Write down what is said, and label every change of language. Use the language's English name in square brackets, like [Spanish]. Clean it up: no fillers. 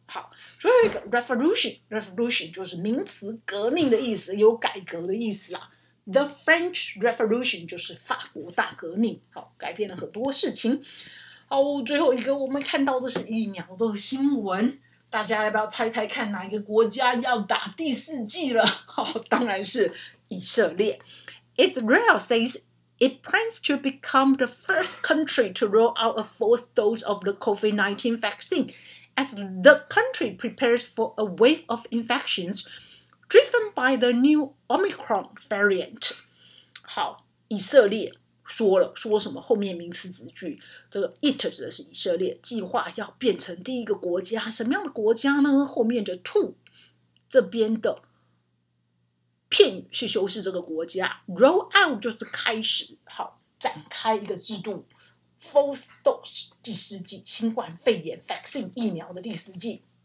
[Chinese] 好，所以有一个 revolution 就是名词，革命的意思，有改革的意思啦。 The French Revolution 就是法国大革命，好，改变了很多事情。好，最后一个我们看到的是疫苗的新闻。大家要不要猜猜看哪一个国家要打第四剂了？好，当然是以色列。 [English] Israel says it plans to become the first country to roll out a fourth dose of the COVID-19 vaccine as the country prepares for a wave of infections driven by the new Omicron variant. [Chinese] 好，以色列说了，说什么后面名词子句，这个 it 指的是以色列，计划要变成第一个国家，什么样的国家呢？后面的 to 这边的片语去修饰这个国家， [English] roll out [Chinese] 就是开始，好，展开一个制度， [English] fourth dose [Chinese] 第四剂新冠肺炎 vaccine 疫苗的第四剂。